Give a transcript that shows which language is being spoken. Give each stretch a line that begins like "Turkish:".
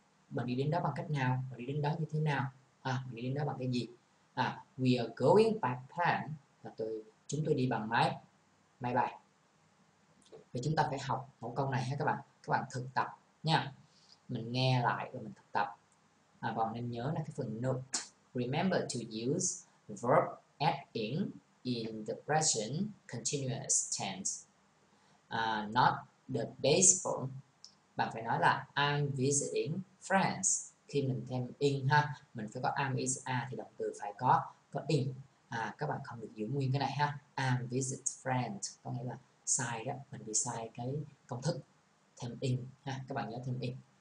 Vietnamese: Bạn đi đến đó bằng cách nào? Bạn đi đến đó như thế nào? Bạn đi đến đó bằng cái gì?
English: We are going by plane.
Vietnamese: Là tôi, chúng tôi đi bằng máy bay. Thì chúng ta phải học mẫu câu này ha các bạn. Các bạn thực tập nha. Mình nghe lại rồi mình thực tập. Và nên nhớ là cái phần note.
English: Remember to use verb adding in the present continuous tense, not the base form.
Vietnamese: Bạn phải nói là
English: I'm visiting friends.
Vietnamese: Khi mình thêm in ha, mình phải có am is are thì động từ phải có in. Các bạn không được giữ nguyên cái này ha.
English: I'm visit friends
Vietnamese: có nghĩa là sai đó, mình bị sai cái công thức thêm in ha. Các bạn nhớ thêm in.